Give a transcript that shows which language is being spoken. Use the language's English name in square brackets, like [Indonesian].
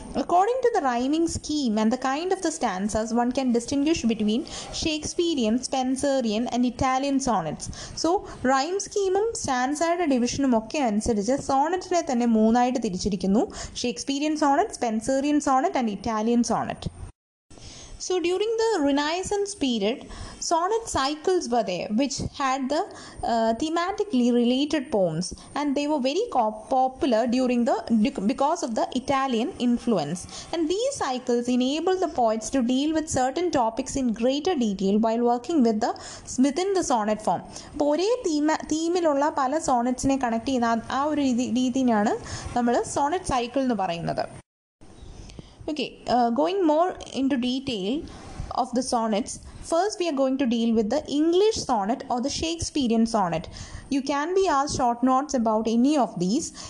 [English] According to the rhyming scheme and the kind of the stanzas one can distinguish between Shakespearean, Spenserian and Italian sonnets. [Malayalam] So rhyme സ്കീമും സ്റ്റാൻസയുടെ ഡിവിഷനും ഒക്കെ അനുസരിച്ച് സോണറ്റിനെ തന്നെ മൂന്നായിട്ട് തിരിച്ചിരിക്കുന്നു, Shakespearean Sonet, Spenserian Sonet and Italian Sonet. [English] So during the Renaissance period, sonnet cycles were there which had the thematically related poems, and they were very popular during the because of the Italian influence. And these cycles enabled the poets to deal with certain topics in greater detail while working within the sonnet form. [Malayalam] അപ്പോൾ ഒരേ തീമിലുള്ള പല സോണറ്റ്സിനെ connect ചെയ്യുന്ന ആ ഒരു രീതിയാണ് നമ്മൾ Sonet cycle എന്ന് പറയുന്നത്. [English] Okay, going more into detail of the sonnets, first we are going to deal with the English sonnet or the Shakespearean sonnet. You can be asked short notes about any of these.